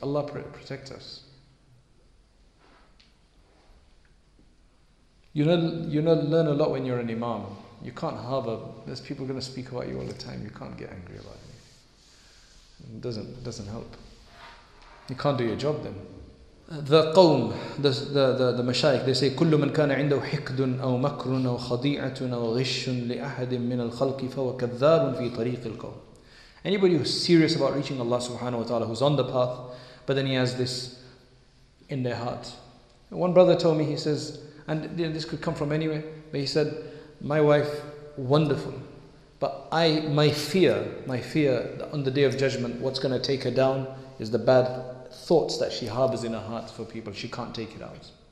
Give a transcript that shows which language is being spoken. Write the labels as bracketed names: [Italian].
[English] Allah protect us. You know, learn a lot when you're an imam. You can't harbor. There's people going to speak about you all the time. You can't get angry about me. It doesn't help. You can't do your job then. The qawm, the mashayikh, they say [Arabic] كل من كان عنده حقد أو مكر أو خضيعة أو غش لأحد من الخلق فهو كذاب في طريق القوم. [English] Anybody who's serious about reaching Allah [Arabic] subhanahu wa ta'ala, [English] who's on the path, but then he has this in their heart. One brother told me, he says, and you know, this could come from anywhere, but he said, my wife, wonderful, but my fear on the day of judgment, what's going to take her down is the bad thoughts that she harbors in her heart for people. She can't take it out.